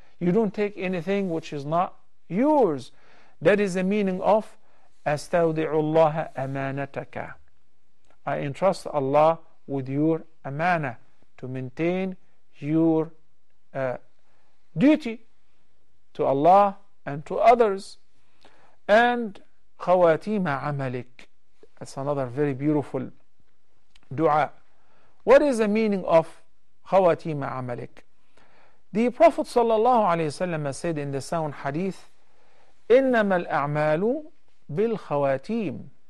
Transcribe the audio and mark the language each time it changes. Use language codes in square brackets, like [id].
[en] You don't take anything which is not yours. That is the meaning of [ar] أَسْتَوْدِعُ اللَّهَ أَمَانَتَكَ. [en] I entrust Allah with your amana, to maintain your duty to Allah and to others. And [ar] خَوَاتِيمَ عَمَلِكَ. [en] That's another very beautiful dua. What is the meaning of [ar] خَوَاتِيمَ عَمَلِكَ? [en] The Prophet ﷺ said in the sound hadith, [ar] إِنَّمَا الْأَعْمَالُ بِالْخَوَاتِيمِ.